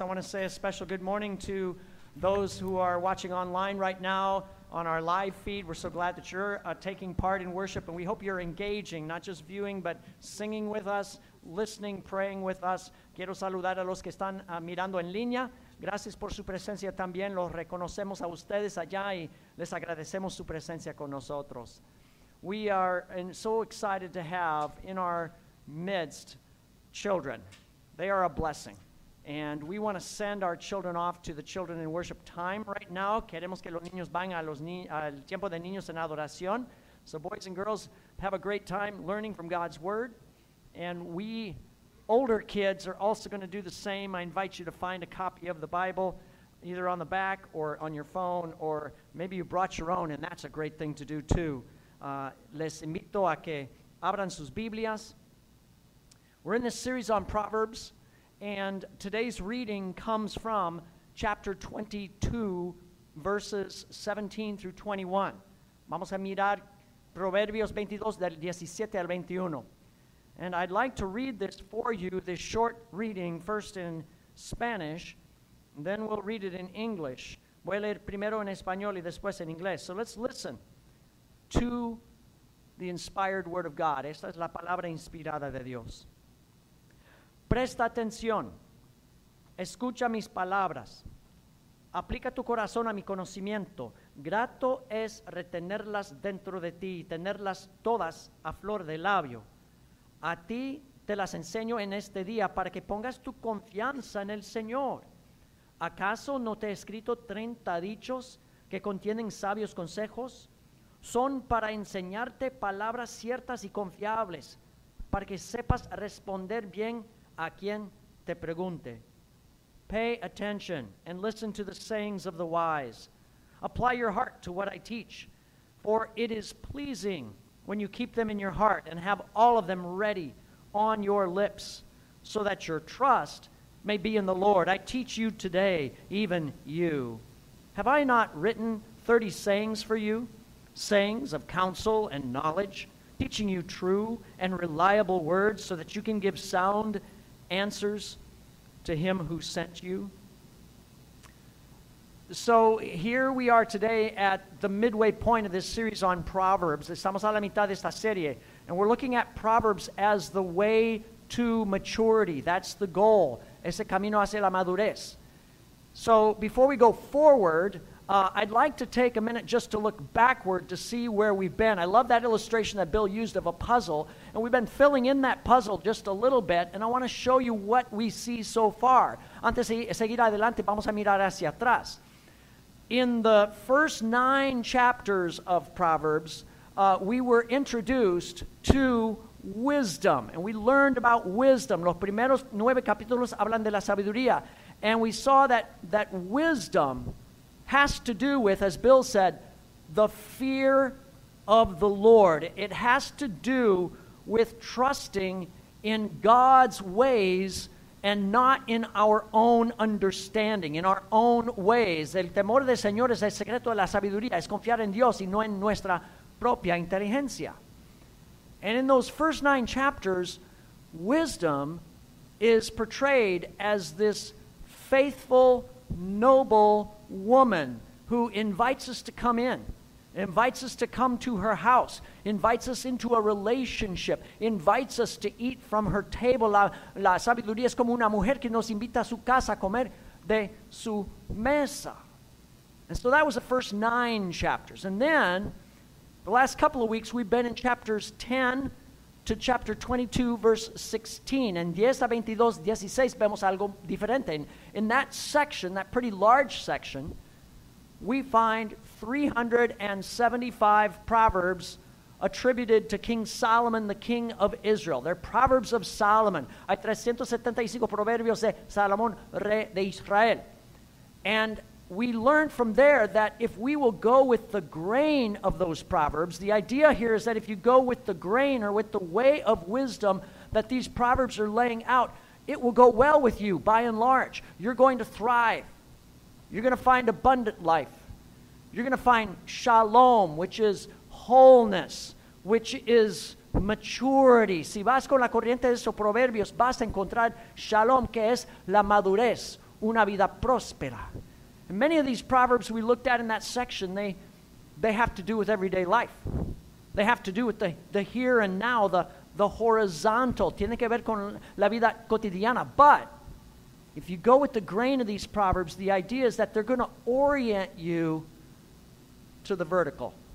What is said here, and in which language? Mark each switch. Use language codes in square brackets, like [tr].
[en] I want to say a special good morning to those who are watching online right now on our live feed. We're so glad that you're taking part in worship, and we hope you're engaging, not just viewing, but singing with us, listening, praying with us. [es] Quiero saludar a los que están mirando en línea. Gracias por su presencia también. Los reconocemos a ustedes allá y les agradecemos su presencia con nosotros. [en] We are so excited to have in our midst children. They are a blessing. And we want to send our children off to the children in worship time right now. [es] Queremos que los niños vayan al tiempo de niños en adoración. [en] So boys and girls, have a great time learning from God's word. And we older kids are also going to do the same. I invite you to find a copy of the Bible, either on the back or on your phone, or maybe you brought your own, and that's a great thing to do too. [es] Les invito a que abran sus Biblias. [en] We're in this series on Proverbs, and today's reading comes from chapter 22, verses 17 through 21. [es] Vamos a mirar Proverbios 22, del 17 al 21. [en] And I'd like to read this for you, this short reading, first in Spanish, and then we'll read it in English. [es] Voy a leer primero en español y después en inglés. [en] So let's listen to the inspired word of God. [es] Esta es la palabra inspirada de Dios. Presta atención, escucha mis palabras, aplica tu corazón a mi conocimiento, grato es retenerlas dentro de ti y tenerlas todas a flor de labio. A ti te las enseño en este día para que pongas tu confianza en el Señor. ¿Acaso no te he escrito 30 dichos que contienen sabios consejos? Son para enseñarte palabras ciertas y confiables, para que sepas responder bien a quien te pregunte. [en] Pay attention and listen to the sayings of the wise. Apply your heart to what I teach, for it is pleasing when you keep them in your heart and have all of them ready on your lips, so that your trust may be in the Lord. I teach you today, even you. Have I not written 30 sayings for you, sayings of counsel and knowledge, teaching you true and reliable words so that you can give sound answers to him who sent you? So here we are today at the midway point of this series on Proverbs. [es] Estamos a la mitad de esta serie. [en] And we're looking at Proverbs as the way to maturity. That's the goal. [es] Ese camino hacia la madurez. [en] So before we go forward, I'd like to take a minute just to look backward to see where we've been. I love that illustration that Bill used of a puzzle. And we've been filling in that puzzle just a little bit. And I want to show you what we see so far. [es] Antes de seguir adelante, vamos a mirar hacia atrás. [en] In the first 9 chapters of Proverbs, we were introduced to wisdom. And we learned about wisdom. [es] Los primeros 9 capítulos hablan de la sabiduría. [en] And we saw that wisdom has to do with, as Bill said, the fear of the Lord. It has to do with trusting in God's ways and not in our own understanding, in our own ways. [es] El temor del Señor es el secreto de la sabiduría, es confiar en Dios y no en nuestra propia inteligencia. [en] And in those first 9 chapters, wisdom is portrayed as this faithful, noble woman who invites us to come in, invites us to come to her house, invites us into a relationship, invites us to eat from her table. [es] La sabiduría es como una mujer que nos invita a su casa a comer de su mesa. [en] And so that was the first 9 chapters. And then the last couple of weeks we've been in chapters 10 to chapter 22, verse 16. And 10 a 22, 16, [es] vemos algo diferente. [en] In that section, that pretty large section, we find 375 proverbs attributed to King Solomon, the king of Israel. They're proverbs of Solomon. [es] Hay 375 proverbios de Salomón, rey de Israel. [en] And we learn from there that if we will go with the grain of those proverbs, the idea here is that if you go with the grain or with the way of wisdom that these proverbs are laying out, it will go well with you by and large. You're going to thrive. You're going to find abundant life. You're going to find shalom, which is wholeness, which is maturity. [es] Si vas con la corriente de esos proverbios, vas a encontrar shalom, que es la madurez, una vida próspera. [en] And many of these proverbs we looked at in that section, they have to do with everyday life. They have to do with the here and now, the horizontal. [es] Tiene que ver con la vida cotidiana. [en] But if you go with the grain of these proverbs, the idea is that they're going to orient you to the vertical.